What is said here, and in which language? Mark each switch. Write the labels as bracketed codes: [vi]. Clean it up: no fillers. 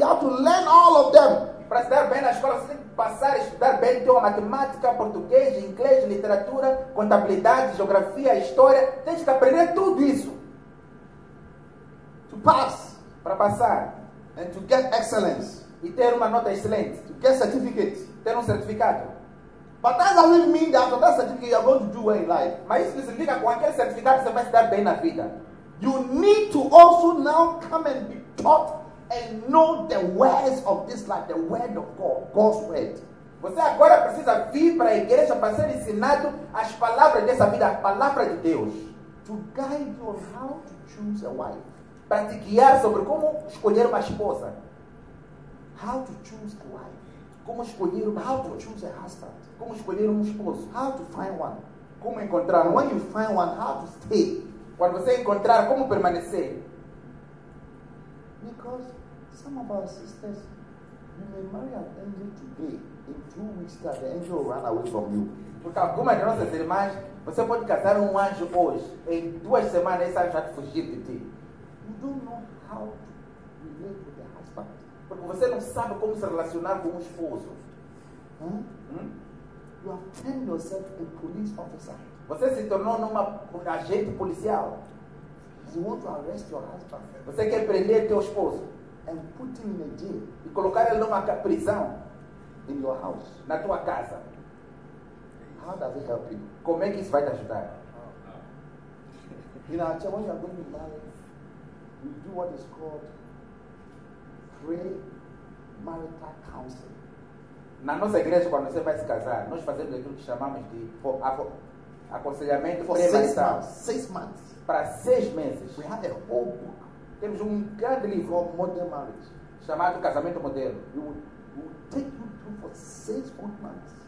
[en] You have to learn all of them. [pt] Para se dar bem na escola, você tem que passar a estudar bem então, matemática, português, inglês, literatura, contabilidade, geografia, história. Tem que aprender tudo isso. [en] To pass. [pt] Para passar. [en] And to get excellence. [pt] E ter uma nota excelente. [en] To get certificate. [pt] Ter certificado. [en] But that doesn't mean that after that certificate you are going to do well in life. [pt] Mas isso não significa que com aquele certificado você vai se dar bem na vida. [en] You need to also now come and be taught and know the words of this life, the word of God, God's word. [pt] Você agora precisa vir para a igreja para ser ensinado as palavras dessa vida, a palavra de Deus. [en] To guide you on how to choose a wife. [pt] Para te guiar sobre como escolher uma esposa. [en] How to choose a wife. [pt] Como escolher uma [en] how [pt] esposa. [en] To choose a husband. [pt] Como escolher um esposo. [en] How to find one. [pt] Como encontrar [en] when you find one, how to stay. [pt] Quando você encontrar, como permanecer. [en] Because some of our sisters, you may marry an angel today. In 2 weeks, that the angel will run away from you. [pt] Porque algumas de nossas irmãs, você pode casar um anjo hoje. Em 2 semanas, esse anjo vai fugir de ti. [en] You don't know how to relate with the husband. [pt] Porque você não sabe como se relacionar com o esposo. [en] Hmm? You have turned yourself a police officer. [pt] Você se tornou numa agente policial. [en] You want to arrest your husband. [pt] Você quer prender teu esposo. [en] And put him in a jail. [pt] E colocar ele numa prisão. [en] In your house. [pt] Na tua casa. [en] How does it help you? [pt] Como é que isso vai te ajudar? [en] In our church, when you are going to be married, we do what is called pre-marital counseling. [pt] Na nossa igreja, quando você vai se casar, nós fazemos aquilo que chamamos de aconselhamento pré-marital. [en] Six months. [pt] Para seis meses. [en] We have a whole book. [pt] Temos grande livro. [en] Called Modern Marriage. [pt] Chamado Casamento Modelo. [en] We will take you through for 6 months.